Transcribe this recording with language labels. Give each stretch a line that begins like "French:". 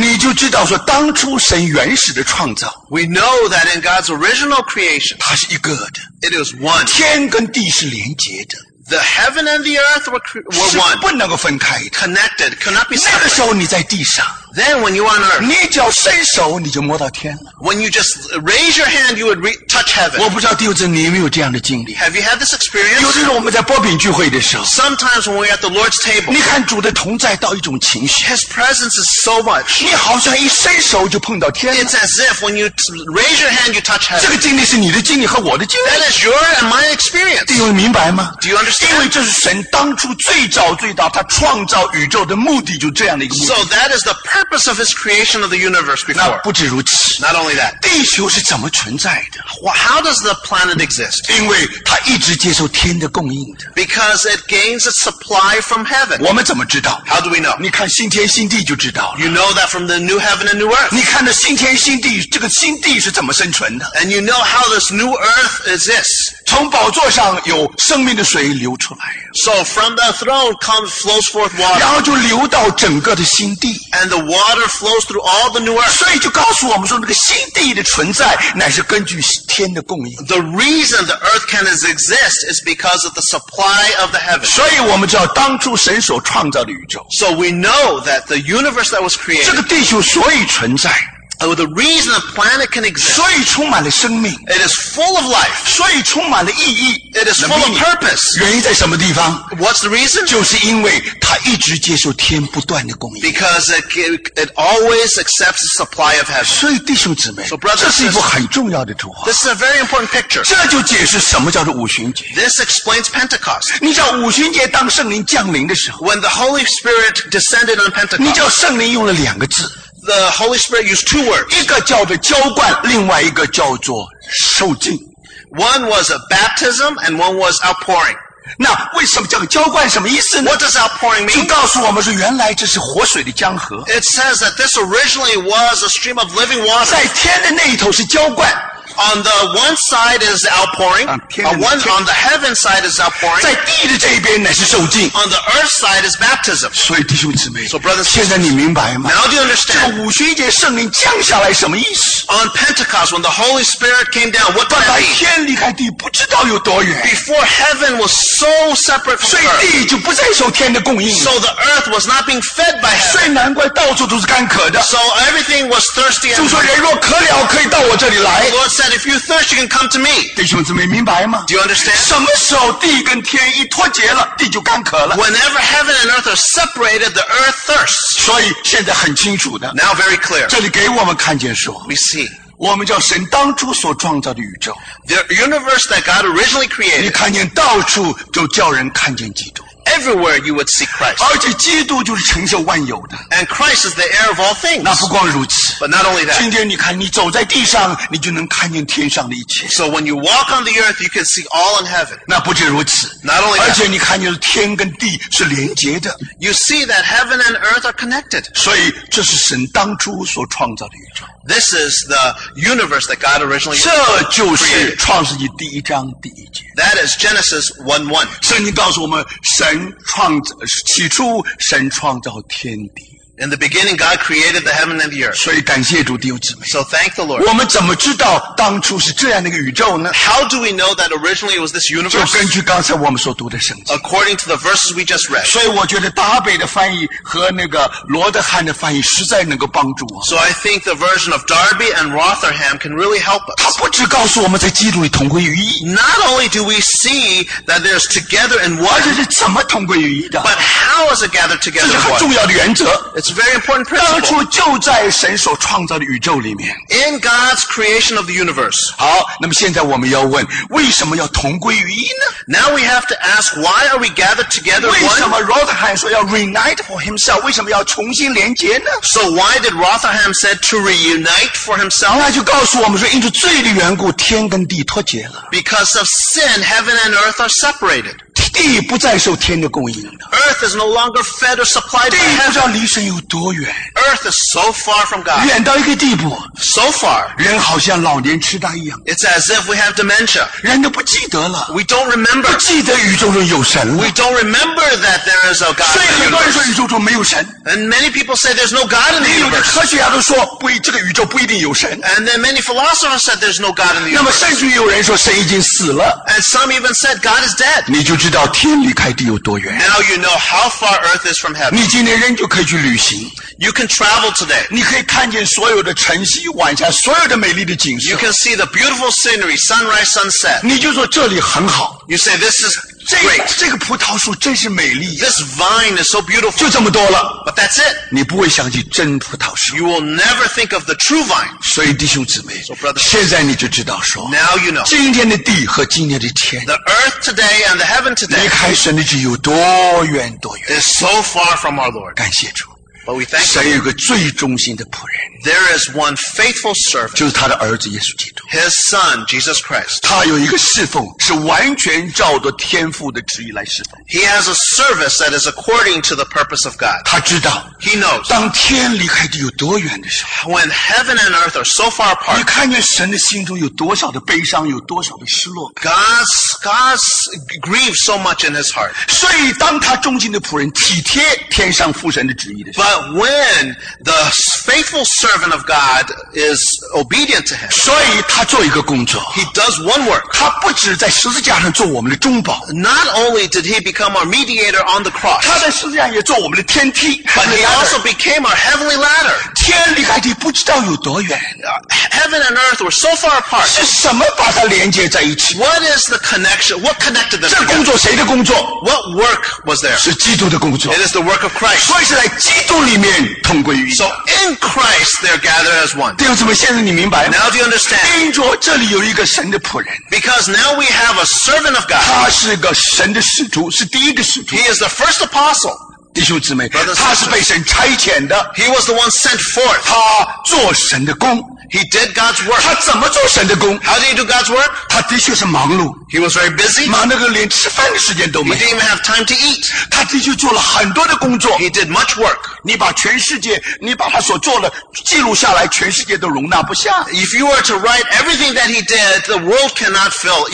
Chinese: 你就知道说当初神原始的创造
English: we know that in God's original creation,
Chinese: 它是一个的
English: it is one.
Chinese: 天跟地是连接的
English: the heaven and the earth were one.
Chinese: 是不能够分开的
English: connected, cannot be separate.
Chinese: 那个时候你在地上
English: then when you are on earth,
Chinese: 你只要伸手你就摸到天了
English: when you just raise your hand, you would touch heaven.
Chinese: 我不知道弟兄姊妹你有没有这样的经历
English: Have you had this experience?
Chinese: 有的时候我们在波饼聚会的时候
English: Sometimes when we are at the Lord's table,
Chinese: 你看主的同在到一种情绪
English: His presence is so much.
Chinese: 你好像一伸手就碰到天了
English: It's as if when you raise your hand, you touch heaven.
Chinese: 这个经历是你的经历和我的经历
English: That is your and my experience.
Chinese: 弟兄明白吗
English: Do you understand?
Chinese: 因为这是神当初最早最大他创造宇宙的目的就这样的一个目的
English: So that is the purpose of his creation of the universe before.
Chinese: 那不止如此
English: Not only that.
Chinese: 地球是怎么存在的
English: Well, how does the planet exist?
Chinese: 因为它一直接受天的供应的。
English: Because it gains its supply from heaven.
Chinese: 我们怎么知道？
English: How do we know?
Chinese: 你看新天新地就知道了。
English: You know that from the new heaven and new earth.
Chinese: 你看的新天新地，这个新地是怎么生存的？
English: And you know how this new earth exists.
Chinese: 从宝座上有生命的水流出来。
English: So from the throne comes flows forth water.
Chinese: 然后就流到整个的新地。
English: And the water flows through all the new earth.
Chinese: 所以就告诉我们说，那个新地的存在乃是根据。
English: The reason the earth can exist is because of the supply of the heaven.
Chinese: 所以我们知道当初神所创造的宇宙。
English: So we know that the universe that was created.
Chinese: 这个地球所以存在。
English: Oh, the reason the planet can exist.
Chinese: 所以充满了生命。
English: It is full of life.
Chinese: 所以充满了意义。
English: It is full of purpose.
Chinese: 原因在什么地方？
English: What's the reason?
Chinese: 就是因为它一直接受天不断的供应。
English: Because it always accepts the supply of heaven.
Chinese: 所以弟兄姊妹，这是一幅很重要的图画。
English: This is a very important picture.
Chinese: 这就解释什么叫做五旬节。
English: This explains Pentecost.
Chinese: 你知道五旬节当圣灵降临的时候。
English: When the Holy Spirit descended on Pentecost.
Chinese: 你知道圣灵用了两个字。
English: The Holy Spirit used two words.
Chinese: 一个叫做浇灌，另外一个叫做受浸。
English: One was a baptism and one was outpouring.
Chinese: 那为什么叫浇灌什么意思呢
English: ?What does outpouring mean?
Chinese: 就告诉我们说原来这是活水的江河。
English: It says that this originally was a stream of living water.
Chinese: 在天的那一头是浇灌。
English: On the one side is outpouring. On the heaven side is outpouring.
Chinese: 在地的这一边乃是受浸。
English: On the earth side is baptism.
Chinese: 所以弟兄姊妹
English: so brothers,
Chinese: 现在你明白吗
English: Now do you understand?
Chinese: 这个五旬节圣灵降下来什么意思
English: On Pentecost, when the Holy Spirit came down, what did that mean?
Chinese: 把天离开地不知道有多远。
English: Before heaven was so separate from earth.
Chinese: 所以地就不再受天的供应。
English: So the earth was not being fed by heaven.
Chinese: 所以难怪到处都是干渴的。
English: So everything was thirsty.
Chinese: 就说人若渴了可以到我这里来。
English: The Lord said,If you thirst, you can come to me.
Chinese: 弟兄姊妹明白吗
English: Do you understand?
Chinese: 什么时候地跟天一脱节了地就干渴了
English: Whenever heaven and earth are separated, the earth thirsts.
Chinese: 所以现在很清楚的
English: Now very clear.
Chinese: 这里给我们看见说
English: We see.
Chinese: 我们叫神当初所创造的宇宙
English: The universe that God originally created.
Chinese: 你看见到处就叫人看见基督
English: Everywhere you would see Christ.
Chinese: 而且基督就是成就万有的
English: And Christ is the heir of all things.
Chinese: 那不光如此
English: But not only that.
Chinese: 今天你看你走在地上你就能看见天上的一切。
English: So when you walk on the earth, you can see all in heaven.
Chinese: 那不止如此。
English: Not only that.
Chinese: 而且你看见天跟地是连接的。
English: You see that heaven and earth are connected.
Chinese: 所以这是神当初所创造的宇宙。
English: This is the universe that God originally created.
Chinese: 这就是创世纪第一章第一节。
English: That is Genesis 1:1.
Chinese: 圣经告诉我们神创起初神创造天地。
English: In the beginning, God created the heaven and the earth.
Chinese: 所以感谢主弟兄姊妹。
English: So thank the Lord.
Chinese: 我们怎么知道当初是这样的一个宇宙呢
English: ？How do we know that originally it was this universe?
Chinese: 就根据刚才我们所读的圣经。
English: According to the verses we just read.
Chinese: 所以我觉得大卫的翻译和那个罗德汉的翻译实在能够帮助我。
English: So I think the version of Darby and Rotherham can really help us.
Chinese: 他不只告诉我们在基督里同归于一。
English: Not only do we see that there's together in one.
Chinese: 而且是怎么同归于一的
English: ？But how is it gathered together?
Chinese: 这是很重要的原则。
English: It's a very important principle.
Chinese: 当初就在神所创造的宇宙里面。
English: In God's creation of the universe.
Chinese: 好，那么现在我们要问，为什么要同归于一呢
English: ？Now we have to ask, why are we gathered together?
Chinese: 为什么 Rotherham 说要
English: reunite for himself?
Chinese: 为什么要重新连接呢
English: ？So why did Rotherham said to reunite for himself?
Chinese: 那就告诉我们说，因着罪的缘故，天跟地脱节了。
English: Because of sin, heaven and earth are separated.
Chinese: 地不再受天的供应了。
English: Earth is no longer fed or supplied by heaven.
Chinese: 地不知道离神有多远。
English: Earth is so far from God.
Chinese: 远到一个地步。
English: So far.
Chinese: 人好像老年痴呆一样。
English: It's as if we have dementia.
Chinese: 人都不记得了。
English: We don't remember.
Chinese: 不记得宇宙中有神了。
English: We don't remember that there is a God.
Chinese: 所以很多人说宇宙中没有神。
English: And many people say there's no God in the universe.
Chinese: 科学家都说不，这个宇宙不一定有神。
English: And then many philosophers said there's no God in the universe.
Chinese: 那么甚至有人说神已经死了。
English: And some even said God is dead.
Chinese: 你就知道。天离开地有多远
English: Now you know how far earth is from heaven.
Chinese: 你今天人就可以去旅行
English: You can travel today.
Chinese: 你可以看见所有的晨曦晚霞所有的美丽的景色
English: You can see the beautiful scenery, sunrise, sunset.
Chinese: 你就说这里很好
English: You say this is great.
Chinese: 这个葡萄树真是美丽、啊、
English: This vine is so beautiful.
Chinese: 就这么多了
English: But that's it.
Chinese: 你不会想起真葡萄树
English: You will never think of the true vine.
Chinese: 所以弟兄姊妹、
English: so、brothers,
Chinese: 现在你就知道说
English: Now you know.
Chinese: 今天的地和今天的天
English: The earth today and the heaven today
Chinese: 离开神的地有多远多远
English: It's so far from our Lord.
Chinese: 感谢主
English: But we thank
Chinese: 神有个最忠心的仆人
English: There is one faithful servant.
Chinese: 就是他的儿子耶稣基督
English: His son, Jesus Christ.
Chinese: 他有一个侍奉是完全照着天父的旨意来侍奉
English: He has a service that is according to the purpose of God.
Chinese: 他知道
English: He knows.
Chinese: 当天离开地有多远的时候
English: When heaven and earth are so far apart.
Chinese: 你看见神的心中有多少的悲伤有多少的失落
English: God's grieves so much in his heart.
Chinese: 所以当他忠心的仆人体贴天上父神的旨意的时候
English: But when the faithful servant of God is obedient to him.
Chinese: 所以他做一个工作
English: He does one work.
Chinese: 他不只在十字架上做我们的中保
English: Not only did he become our mediator on the cross.
Chinese: 他在十字架也做我们的天梯
English: But he also became our heavenly ladder.
Chinese: 天离开地不知道有多远
English: Heaven and earth were so far apart.
Chinese: 是什么把它连接在一起
English: What is the connection? What connected them?
Chinese: 这工作谁的工作
English: What work was there?
Chinese: 是基督的工作
English: It is the work of Christ.
Chinese: 所以是在基督里面同归于一
English: So in Christ they're gathered as one.
Chinese: 弟兄姊妹现在你明白吗
English: Now do you understand?
Chinese: 因着这里有一个神的仆人
English: Because now we have a servant of God.
Chinese: 他是个神的使徒是第一个使徒
English: He is the first apostle.
Chinese: 弟兄姊妹他是被神差遣的
English: He was the one sent forth
Chinese: 他做神的工
English: He did God's work.
Chinese: 他怎么做神的工?
English: How did he do God's work?
Chinese: 他的确是忙碌。
English: He was very busy.
Chinese: 忙那个连吃饭的时间都没有。
English: He didn't even have time to eat.
Chinese: 他的确做了很多的工作。
English: He did much work.
Chinese: 你把全世界，你把他所做的记录下来，全世界都容纳不下。
English: If you were to write everything that he did, the world cannot fill.